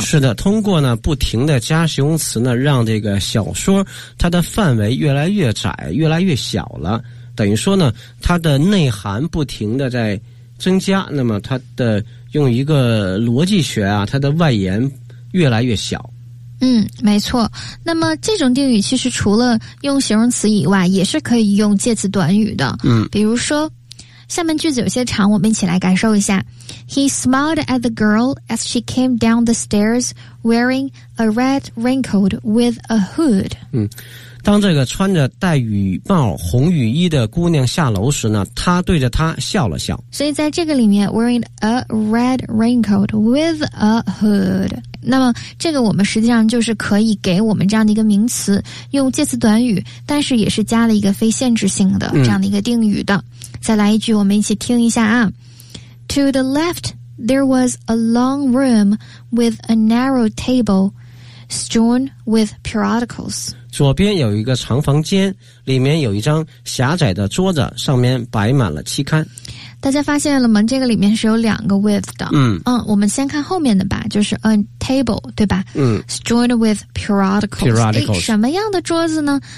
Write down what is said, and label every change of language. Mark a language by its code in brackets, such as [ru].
[zh] 是的，通过呢不停的加形容词呢，让这个小说它的范围越来越窄，越来越小了，等于说呢它的内涵不停的在增加，那么它的用一个逻辑学啊，它的外延越来越小。没错。那么这种定语其实除了用形容词以外，也是可以用介词短语的。比如说下面句子有些长，我们一起来感受一下。 [en] He smiled at the girl as she came down the stairs wearing a red raincoat with a hood. [zh] 当这个穿着戴雨帽红雨衣的姑娘下楼时呢，他对着她笑了笑。所以在这个里面 [en] wearing a red raincoat with a hood。 [zh] 那么这个我们实际上就是可以给我们这样的一个名词用介词短语，但是也是加了一个非限制性的这样的一个定语的。再来一句我们一起听一下啊。 [en] To the left, there was a long room with a narrow table strewn with periodicals. [zh] 左边有一个长房间，里面有一张狭窄的桌子，上面摆满了期刊。大家发现了吗？这个里面是有两个 with 的。我们先看后面的吧，就是 [en] a table， [zh] 对吧？ [en] Strewn with periodicals。 [zh] 什么样的桌子呢？